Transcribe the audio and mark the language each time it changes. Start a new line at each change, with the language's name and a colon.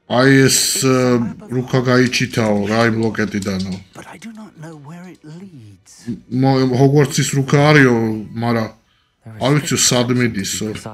Georgian: აი ეს რუკა გაიჩითაო რა იმ ლოკეტიდანო.
English: But I do not know where it leads.
Georgian: მო ჰოგვორცის რუკა არისო, მაგრამ არ ვიცი სად მიდისო.